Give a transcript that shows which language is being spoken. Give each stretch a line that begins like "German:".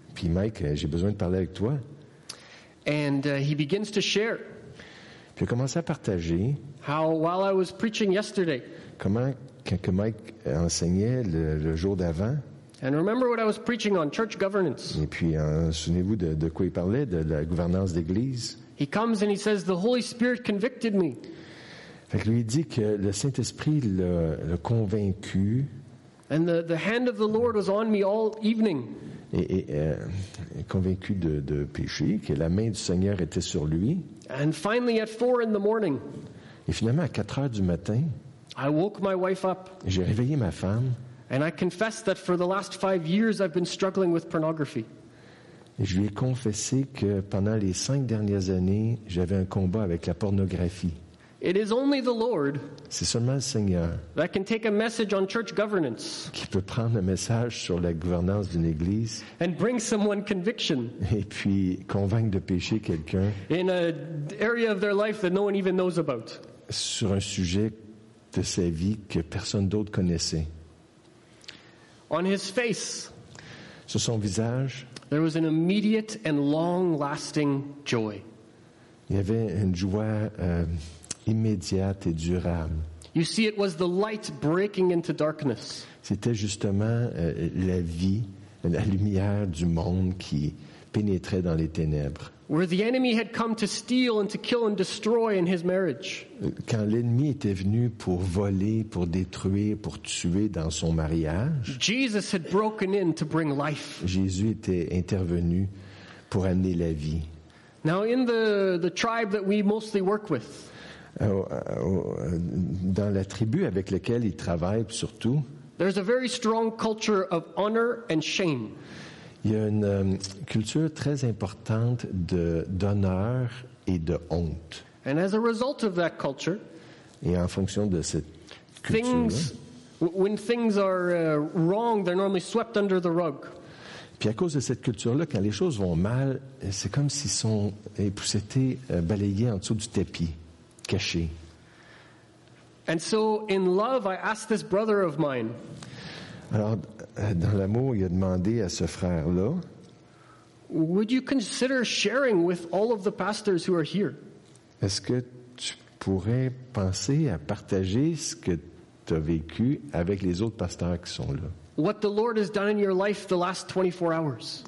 French: Puis Mike, j'ai besoin de parler avec toi.
English: And he begins to share.
French: Puis il commence à partager.
English: How while I was preaching yesterday.
French: Comment que Mike enseignait le jour d'avant.
English: And remember what I was preaching on church governance.
French: Et puis souvenez-vous de quoi il parlait, de la gouvernance d'église.
English: He comes and he says, "The Holy Spirit convicted me."
French: Fait que lui dit que le Saint-Esprit l'a convaincu.
English: And the hand of the Lord was on me all evening.
French: Et convaincu de péché, que la main du Seigneur était sur lui.
English: And finally, at 4 in the morning.
French: Et finalement à 4 heures du matin.
English: I woke my wife up.
French: J'ai réveillé ma femme.
English: And I confessed that for the last 5 years I've been struggling with pornography.
French: Et je lui ai confessé que pendant les 5 dernières années, j'avais un combat avec la pornographie.
English: It is only the Lord.
French: C'est seulement le Seigneur.
English: That can take a message on church governance.
French: Qui peut prendre un message sur la gouvernance d'une église.
English: And bring someone conviction.
French: Et puis convaincre de péché quelqu'un.
English: In an area of their life that no one even knows about.
French: Sur un sujet de sa vie que personne d'autre connaissait.
English: On his face.
French: Sur son visage.
English: There was an immediate and long-lasting joy.
French: Il y avait une joie immédiate et durable.
English: You see, it was the light breaking into darkness.
French: C'était justement la vie, la lumière du monde qui pénétrait dans les ténèbres.
English: Where the enemy had come to steal and to kill and destroy in his marriage.
French: Quand l'ennemi était venu pour voler, pour détruire, pour tuer dans son mariage.
English: Jesus had broken in to bring life.
French: Jésus était intervenu pour amener la vie.
English: Now in the tribe that we mostly work with.
French: Dans la tribu avec laquelle il travaille surtout.
English: There's a very strong culture of honor and shame.
French: Il y a une culture très importante d'honneur et de honte.
English: And as a result of that culture,
French: et en fonction de cette culture,
English: when things are wrong, they're normally swept under the rug.
French: Puis à cause de cette culture-là, quand les choses vont mal, c'est comme s'ils sont époussetés, balayés en dessous du tapis, cachés.
English: And so, in love, I asked this brother of mine.
French: Alors, dans l'amour, il a demandé à ce frère-là.
English: Would you consider sharing with all of the pastors who are here?
French: Est-ce que tu pourrais penser à partager ce que tu as vécu avec les autres pasteurs qui sont là?
English: What the Lord has done in your life the last 24 hours?